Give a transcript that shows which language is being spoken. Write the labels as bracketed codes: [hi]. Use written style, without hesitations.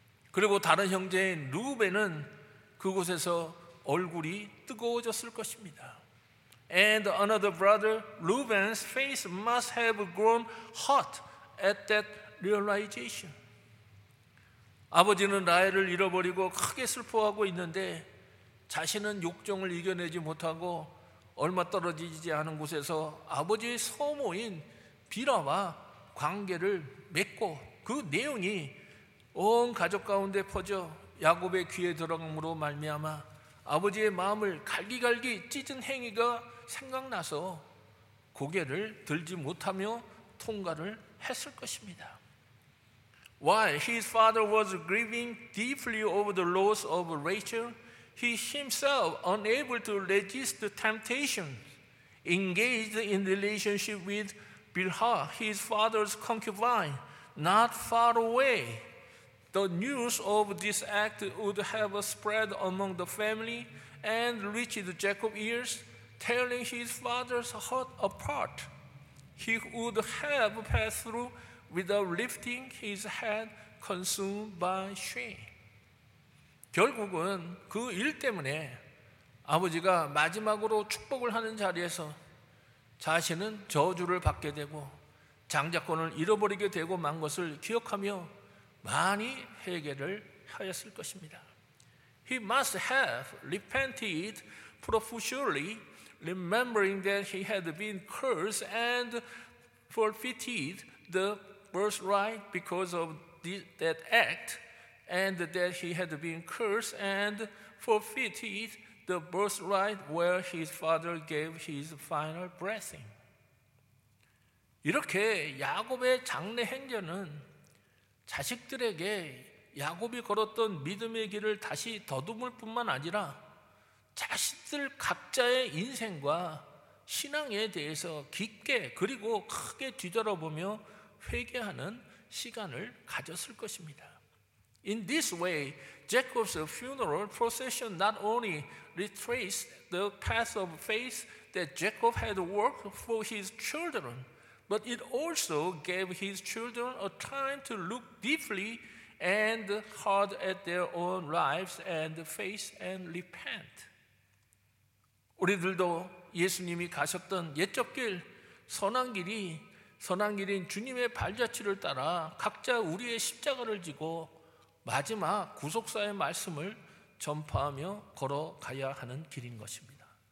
[ko] 그리고 다른 형제인 루벤은 그곳에서 얼굴이 뜨거워졌을 것입니다. [en] And another brother, Reuben's face must have grown hot at that realization. [ko] 아버지는 라헬을 잃어버리고 크게 슬퍼하고 있는데 자신은 욕정을 이겨내지 못하고 얼마 떨어지지 않은 곳에서 아버지의 서모인 빌하와 관계를 맺고 그 내용이 온 가족 가운데 퍼져 야곱의 귀에 들어감으로 말미암아 아버지의 마음을 갈기갈기 찢은 행위가 생각나서 고개를 들지 못하며 통과를 했을 것입니다. [en] While his father was grieving deeply over the loss of Rachel, he himself, unable to resist the temptation, engaged in relationship with Bilhah, his father's concubine, not far away. The news of this act would have spread among the family and reached Jacob's ears, tearing his father's heart apart. He would have passed through without lifting his head, consumed by shame. [ko] 결국은 그 일 때문에 아버지가 마지막으로 축복을 하는 자리에서 자신은 저주를 받게 되고 장자권을 잃어버리게 되고 만 것을 기억하며 많이 회개를 하였을 것입니다. [en] He must have repented profusely, remembering that he had been cursed and forfeited the birthright because of that act, and that he had been cursed and forfeited the birthright where his father gave his final blessing. [ko] 이렇게 야곱의 장례 행전은 자식들에게 야곱이 걸었던 믿음의 길을 다시 더듬을 뿐만 아니라 자식들 각자의 인생과 신앙에 대해서 깊게 그리고 크게 뒤돌아보며 회개하는 시간을 가졌을 것입니다. [en] In this way, Jacob's funeral procession not only retraced the path of faith that Jacob had worked for his children, but it also gave his children a time to look deeply and hard at their own lives and faith and repent. [ko] 우리들도 예수님이 가셨던 옛적 길, 선한 길이 선한 길인 주님의 발자취를 따라 각자 우리의 십자가를 지고 마지막 구속사의 말씀을 전파하며 걸어가야 하는 길인 것입니다.